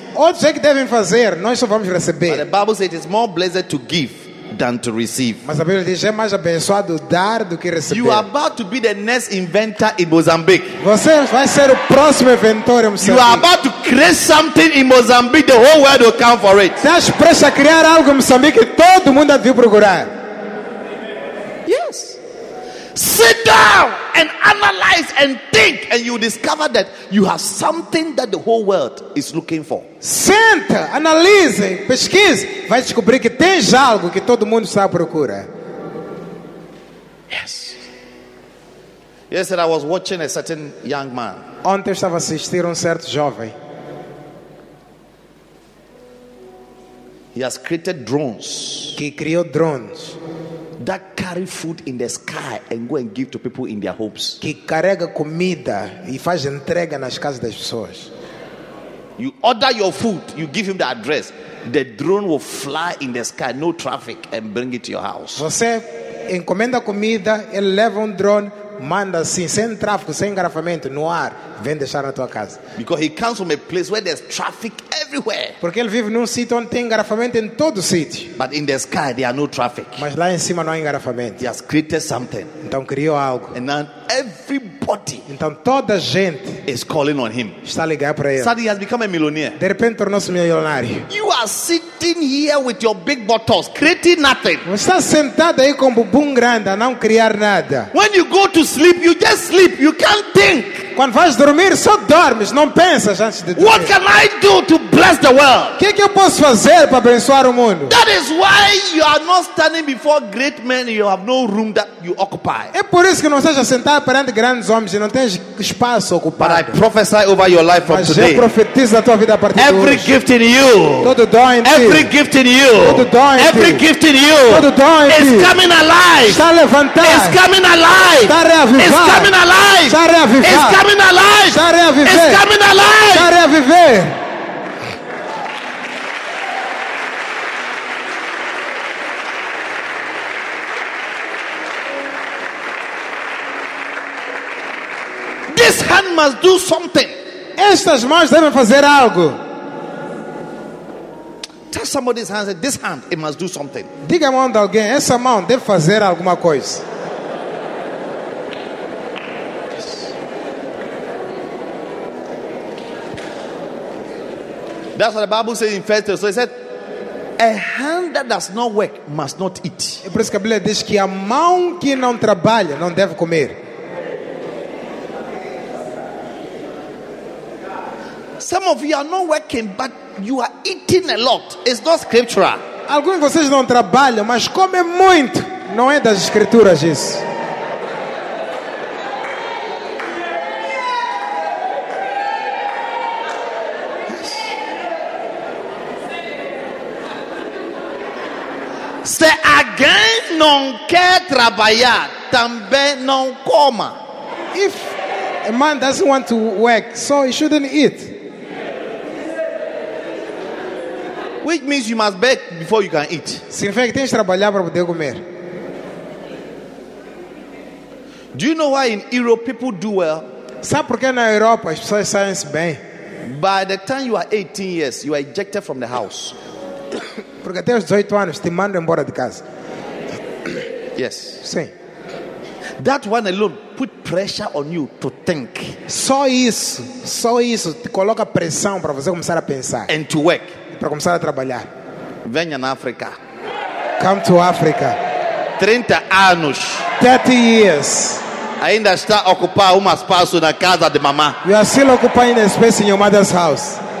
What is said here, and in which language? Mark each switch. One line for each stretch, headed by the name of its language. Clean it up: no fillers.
Portuguese: Outros é que devem fazer, nós só vamos receber.
English: But the Bible says it is more blessed to give than to receive.
Portuguese: Mas a Bíblia diz é mais abençoado dar do que receber.
English: You are about to be the next inventor in Mozambique.
Portuguese: Você vai ser o próximo inventor em Moçambique.
English: You are about to create something in Mozambique, the whole world will come for it.
Portuguese: Estás prestes a criar algo em Moçambique que todo mundo vai procurar.
English: Yes. Sit down and analyze and think, and you discover that you have something that the whole world is looking for.
Portuguese: Senta, analise, pesquise, vai descobrir que tens algo que todo mundo está à procura.
English: Yes. Yesterday I was watching a certain young man.
Portuguese: Ontem eu estava assistindo certo jovem.
English: He has created drones.
Portuguese: Que criou drones.
English: That carry food in the sky and go and give to people in their homes.
Portuguese: Que carrega comida e faz entrega nas casas das pessoas.
English: You order your food, you give him the address. The drone will fly in the sky, no traffic, and bring it to your house.
Portuguese: Você encomenda comida, ele leva drone, manda assim, sem tráfego, sem engarrafamento, no ar, vem deixar na tua casa.
English: Because he comes from a place where there's traffic everywhere.
Portuguese: Porque ele vive num sítio onde tem engarrafamento em todo o sítio.
English: But in the sky there are no traffic.
Portuguese: Mas lá em cima não há engarrafamento.
English: He has created something.
Portuguese: Então criou algo.
English: And then everybody.
Portuguese: Então toda gente
English: is calling on him.
Portuguese: Está ligado para ele.
English: Suddenly he has become a millionaire.
Portuguese: De repente tornou-se milionário.
English: You are sitting here with your big bottles, creating nothing.
Portuguese: Você está sentado aí com bumbum grande a não criar nada.
English: When you go to sleep, you just sleep. You can't think.
Portuguese: Quando vais dormir, só dormes, não pensas antes de dormir.
English: What can I do to bless the world?
Portuguese: Que eu posso fazer para abençoar o mundo?
English: That is why you are not standing before great men. You have no room that you occupy.
Portuguese: É por isso que não estás a sentar perante grandes homens e não tens espaço ocupado.
English: But I prophesy over your life from
Portuguese: Mas
English: today.
Portuguese: Eu profetizo na tua vida a partir de
English: every
Portuguese: hoje.
English: Every gift in you.
Portuguese: Todo dom em ti.
English: Every gift in you.
Portuguese: Todo dom em ti.
English: Every gift in you.
Portuguese: Todo dom em ti.
English: It's coming alive.
Portuguese: Está levantar.
English: It's coming alive.
Portuguese: Está reavivar.
English: It's coming alive.
Portuguese: Está reavivar.
English: It's coming alive.
Portuguese: Está a reviver.
English: It's coming alive.
Portuguese: Está a reviver.
English: This hand must do something.
Portuguese: Estas mãos devem fazer algo.
English: Touch somebody's hand. Say, this hand, it must do something.
Portuguese: Diga a mão de alguém. Essa mão deve fazer alguma coisa.
English: That's what the Bible says in 1 Peter. So he said, a hand that does not work must not eat.
Portuguese: É por isso que a Bíblia diz que a mão que não trabalha não deve comer.
English: Some of you are not working, but you are eating a lot. It's not scriptural.
Portuguese: Alguns de vocês não trabalham, mas comem muito. Não é das escrituras isso. Se alguém não quer trabalhar, também não coma.
English: If a man doesn't want to work, so he shouldn't eat. Which means you must beg before you can eat.
Portuguese: Significa que tens que trabalhar para poder comer.
English: Do you know why in Europe people do well?
Portuguese: Sabe por que na Europa as pessoas saem bem?
English: By the time you are 18 years, you are ejected from the house.
Portuguese: Porque até os 18 anos te mandam embora de casa.
English: Yes.
Portuguese: Sim.
English: That one alone put pressure on you to think.
Portuguese: Só isso te coloca pressão para você começar a pensar.
English: And to work.
Portuguese: Para começar a trabalhar. Venha na África.
English: Come to Africa.
Portuguese: 30 anos.
English: 30 years.
Portuguese: Ainda está a ocupar um espaço na casa de mamá.
English: You are still occupying a space in your mother's house.